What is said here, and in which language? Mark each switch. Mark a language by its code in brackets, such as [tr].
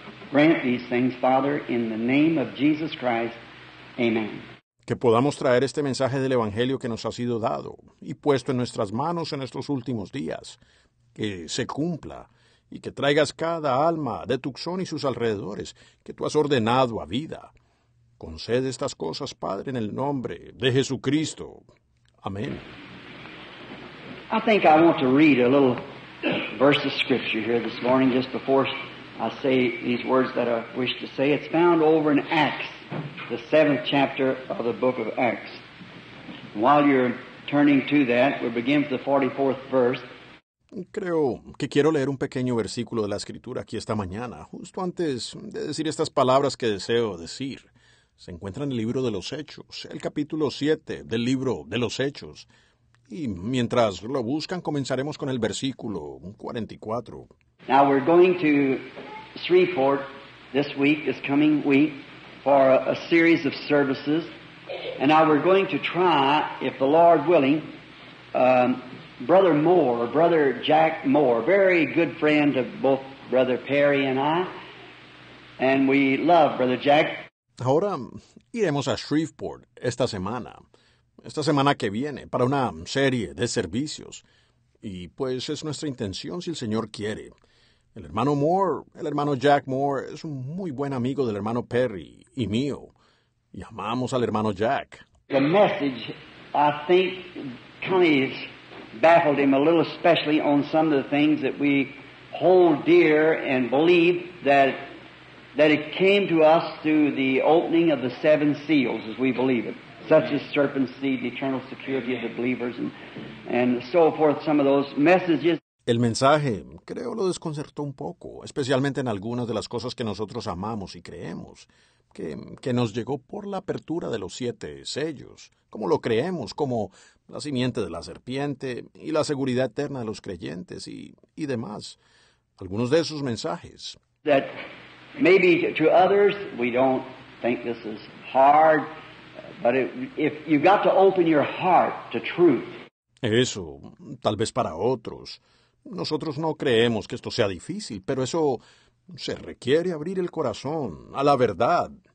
[en] Grant these things, Father, in the name of Jesus Christ. Amen. [es] Que podamos traer este mensaje del Evangelio que nos ha sido dado y puesto en nuestras manos en estos últimos días. Que se cumpla. Y que traigas cada alma de Tucson y sus alrededores que tú has ordenado a vida. Concede estas cosas, Padre, en el nombre de Jesucristo. Amén. [en] I think I want to read a little verse of scripture here this morning just before I say these words that I wish to say. It's found over in Acts, the 7th chapter of the book of Acts. While you're turning to that, we begin with the 44th verse. [es] Creo que quiero leer un pequeño versículo de la Escritura aquí esta mañana, justo antes de decir estas palabras que deseo decir. se encuentra en el libro de los Hechos, el capítulo 7 del libro de los Hechos. Y mientras lo buscan, comenzaremos con el versículo 44. [en] Now we're going to Shreveport this week, this coming week, for a series of services. And now we're going to try, if the Lord willing, Brother Moore, Brother Jack Moore, very good friend of both Brother Perry and I, and we love Brother Jack. [es] Ahora iremos a Shreveport esta semana que viene, para una serie de servicios. Y pues es nuestra intención, si el Señor quiere. El hermano Moore, el hermano Jack Moore, es un muy buen amigo del hermano Perry y mío. Y amamos al hermano Jack. [en] The message, I think, Connie's baffled him a little, especially on some of the things that we hold dear and believe that it came to us through the opening of the seven seals, as we believe it, such as serpent's seed, the eternal security of the believers, and so forth, some of those messages. [es] El mensaje, creo, lo desconcertó un poco, especialmente en algunas de las cosas que nosotros amamos y creemos, que nos llegó por la apertura de los siete sellos, como lo creemos, como la simiente de la serpiente y la seguridad eterna de los creyentes y demás. Algunos de esos mensajes. [en] That maybe to others, we don't think this is hard, but if you've got to open your heart to truth. [es] Eso, tal vez para otros. Nosotros no creemos que esto sea difícil, pero eso se requiere abrir el corazón a la verdad.